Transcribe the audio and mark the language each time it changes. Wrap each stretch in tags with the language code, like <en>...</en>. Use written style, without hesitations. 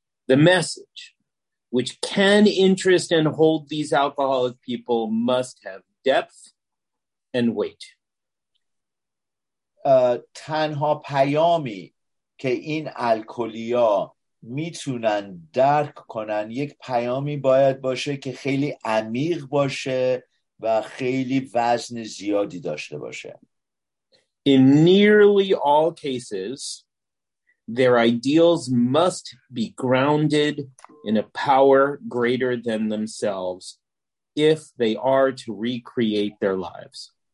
<en>The message which can interest and hold these alcoholic people must have depth and weight.</en> <fa>تنها پیامی که این الکلی‌ها میتونن درک کنن یک پیامی باید باشه که خیلی عمیق باشه و خیلی وزن زیادی داشته باشه.</fa> <en>In nearly all cases, their ideals must be grounded in a power greater than themselves if they are to recreate their lives.</en>